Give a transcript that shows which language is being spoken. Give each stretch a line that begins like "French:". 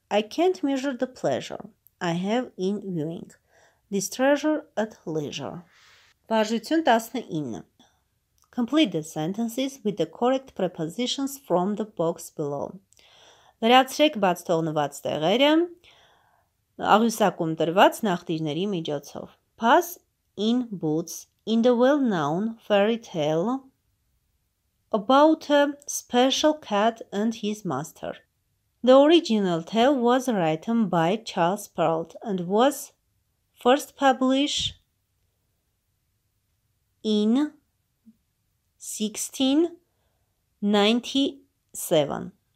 English: I can't measure the pleasure I have in viewing this treasure at leisure. Վարժություն 19. Complete the sentences with the correct prepositions from the box below.
Armenian: Վերացրեք բաց թողնված տեղերը աղյուսակում տրված նախտիրների միջոցով.
English: Pass in boots in the well-known fairy tale about a special cat and his master. The original tale was written by Charles Perrault and was first published in 1697.